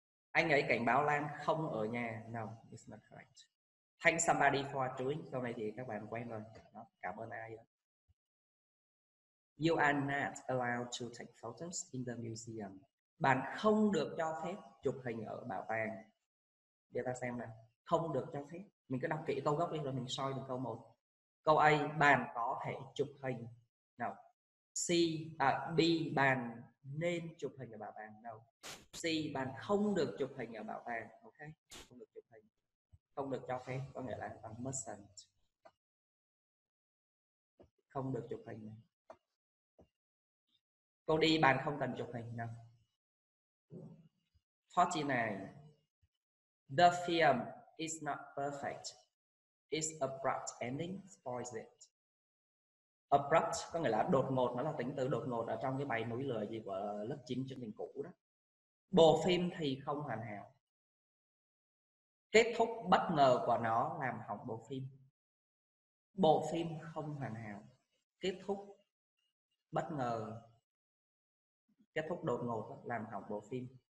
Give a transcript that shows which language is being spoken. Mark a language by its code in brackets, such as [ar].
[vi] Anh ấy cảnh báo Lan không ở nhà. [en] No, it's not correct. Thank somebody for doing. [vi] Câu này thì các bạn quen rồi. Đó, cảm ơn ai đó. [en] You are not allowed to take photos in the museum. [vi] Bạn không được cho phép chụp hình ở bảo tàng. Để ta xem nào. Không được cho phép. Mình cứ đọc kỹ câu gốc đi rồi mình soi được câu 1. Câu A, bạn có thể chụp hình. No. C, B, bạn nên chụp hình ở bảo tàng. No. C, bạn không được chụp hình ở bảo tàng. Ok, không được chụp hình, không được cho phép, có nghĩa là bạn mustn't, không được chụp hình. Cô đi, bạn không cần chụp hình. [en] No. 49, the film is not perfect, its abrupt ending spoils it. [vi] Abrupt có nghĩa là đột ngột, nó là tính từ đột ngột ở trong cái bài núi lửa gì của lớp 9 chương trình cũ đó. Bộ phim thì không hoàn hảo, kết thúc bất ngờ của nó làm hỏng bộ phim. Bộ phim không hoàn hảo, kết thúc bất ngờ, kết thúc đột ngột làm hỏng bộ phim.